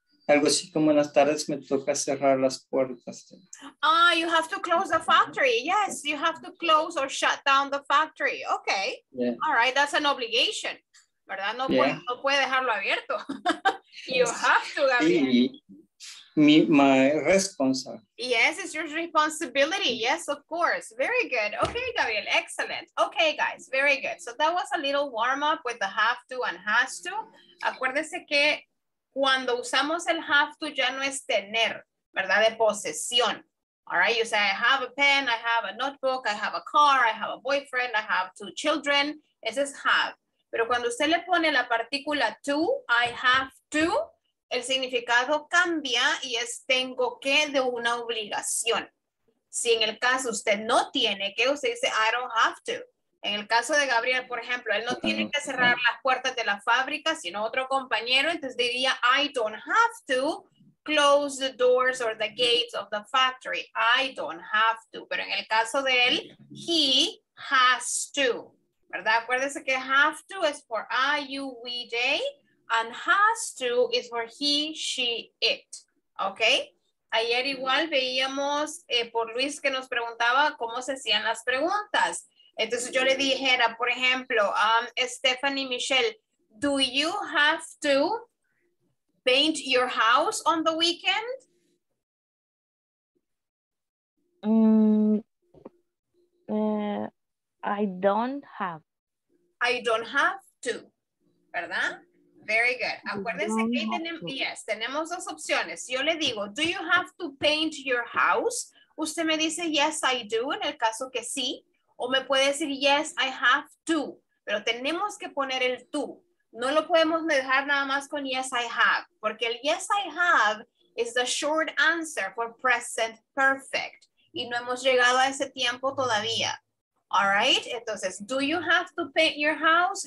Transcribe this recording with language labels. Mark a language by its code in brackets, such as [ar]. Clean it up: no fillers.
[es] Algo así como en las tardes me toca cerrar las puertas. [en] Ah, you have to close the factory. Yes, you have to close or shut down the factory. Okay. Yeah. All right, that's an obligation. [es] ¿Verdad? [en] No, yeah. [es] No puede dejarlo abierto. [en] You have to, Gabriel. My responsibility. Yes, it's your responsibility. Yes, of course. Very good. Okay, Gabriel, excellent. Okay, guys, very good. So that was a little warm up with the have to and has to. [es] Acuérdese que cuando usamos el have to, ya no es tener, ¿verdad? De posesión. [en] All right, you say, I have a pen, I have a notebook, I have a car, I have a boyfriend, I have two children. [es] Ese es have. Pero cuando usted le pone la partícula to, [en] I have to, [es] el significado cambia y es tengo que de una obligación. Si en el caso usted no tiene que, usted dice [en] I don't have to. [es] En el caso de Gabriel, por ejemplo, él no tiene que cerrar las puertas de la fábrica, sino otro compañero, entonces diría [en] I don't have to close the doors or the gates of the factory. I don't have to. [es] Pero en el caso de él, [en] he has to. [es] ¿Verdad? Acuérdese que [en] have to is for I, you, we, they, and has to is for he, she, it. [es] ¿Ok? Ayer igual veíamos por Luis que nos preguntaba cómo se hacían las preguntas. Entonces yo le dijera, por ejemplo, [en] Stephanie Michelle, do you have to paint your house on the weekend? I don't have. I don't have to, [es] ¿verdad? [en] Very good. [es] Acuérdense que yes, tenemos dos opciones. Yo le digo, [en] do you have to paint your house? [es] Usted me dice, [en] yes, I do, [es] en el caso que sí. O me puede decir, [en] yes, I have to. [es] Pero tenemos que poner el to. No lo podemos dejar nada más con [en] yes, I have. [es] Porque el [en] yes, I have is the short answer for present perfect. [es] Y no hemos llegado a ese tiempo todavía. [en] All right, [es] entonces, [en] do you have to paint your house?